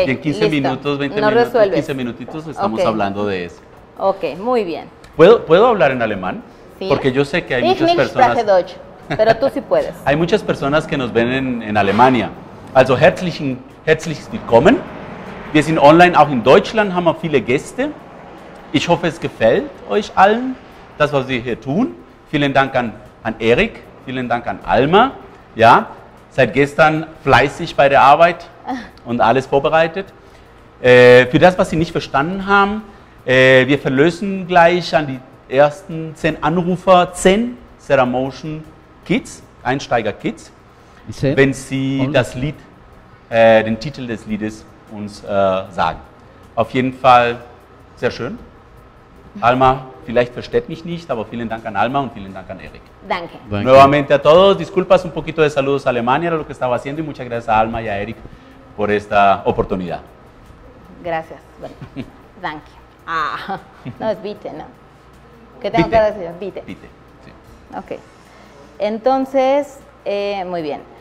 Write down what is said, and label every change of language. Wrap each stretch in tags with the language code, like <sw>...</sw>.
<es>y en 15 minutos, 20 minutos, resuelves. 15 minutitos estamos hablando de eso. Ok, muy bien. ¿Puedo hablar en alemán? Sí. Porque yo sé que hay muchas personas... Pero tú sí puedes. Hay muchas personas que nos ven en Alemania.</es> <de>Also herzlichen, herzlich willkommen. Wir sind online auch in Deutschland, haben wir viele Gäste. Ich hoffe, es gefällt euch allen, das, was wir hier tun. Vielen Dank an Erik, vielen Dank an Alma. Ja, seit gestern fleißig bei der Arbeit und alles vorbereitet. Für das, was Sie nicht verstanden haben, wir verlösen gleich an die ersten 10 Anrufer 10 Ceramotion Kits, Einsteiger Kits, wenn Sie das Lied, den Titel des Liedes uns sagen. Auf jeden Fall sehr schön. Alma, vielleicht versteht mich nicht, aber vielen Dank an Alma und vielen Dank an Erik. Danke.</de> <es>Nuevamente a todos, disculpas un poquito de saludos a Alemania, lo que estaba haciendo, y muchas gracias a Alma y a Erik por esta oportunidad. Gracias. Bueno, danke. Ah, no es bitte, ¿no? ¿Qué tengo que decir?</es> <de>Bitte. Bitte, sí.</de> <es>Ok. Entonces, muy bien.</es>